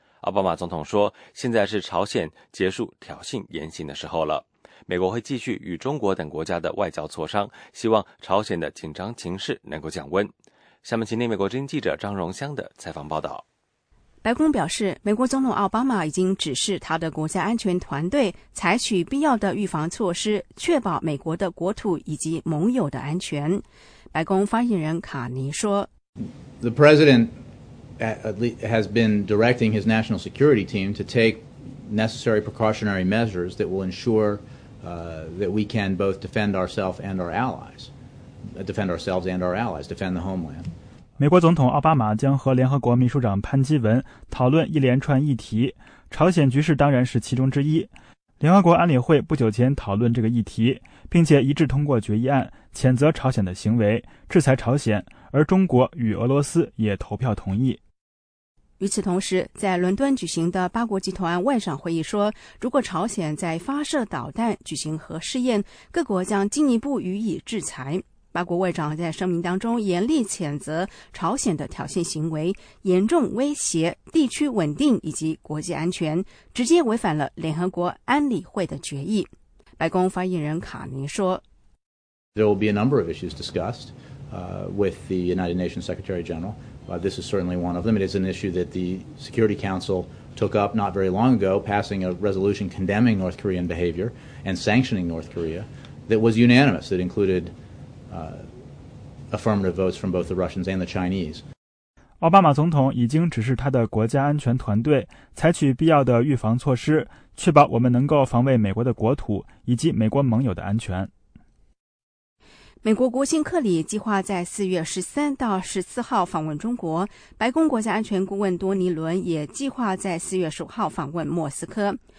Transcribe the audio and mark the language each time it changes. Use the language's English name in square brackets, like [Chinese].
[Chinese] 奥巴马总统说，现在是朝鲜结束挑衅言行的时候了，美国会继续与中国等国家的外交磋商，希望朝鲜的紧张情势能够降温。下面请听美国之音记者张荣香的采访报道。白宫表示，美国总统奥巴马已经指示他的国家安全团队采取必要的预防措施，确保美国的国土以及盟友的安全。白宫发言人卡尼说 [English] ：“The president has been directing his national security team to take necessary precautionary measures that will ensure that we can both defend ourselves and our allies, defend the homeland.” [Chinese] 美国总统奥巴马将和联合国秘书长潘基文讨论一连串议题，朝鲜局势当然是其中之一。联合国安理会不久前讨论这个议题，并且一致通过决议案，谴责朝鲜的行为，制裁朝鲜，而中国与俄罗斯也投票同意。与此同时，在伦敦举行的八国集团外长会议说，如果朝鲜在发射导弹、举行核试验，各国将进一步予以制裁。八国外长在声明当中严厉谴责朝鲜的挑衅行为，严重威胁地区稳定以及国际安全，直接违反了联合国安理会的决议。白宫发言人卡尼说 [English] There will be a number of issues discussed with the United Nations Secretary General. This is certainly one of them. It is an issue that the Security Council took up not very long ago, passing a resolution condemning North Korean behavior and sanctioning North Korea that was unanimous, that included affirmative votes from both the Russians and the Chinese. [Chinese] 奥巴马总统已经指示他的国家安全团队采取必要的预防措施，确保我们能够防卫美国的国土以及美国盟友的安全。美国国务卿克里计划在4月13到14号访问中国，白宫国家安全顾问多尼伦也计划在4月15号访问莫斯科。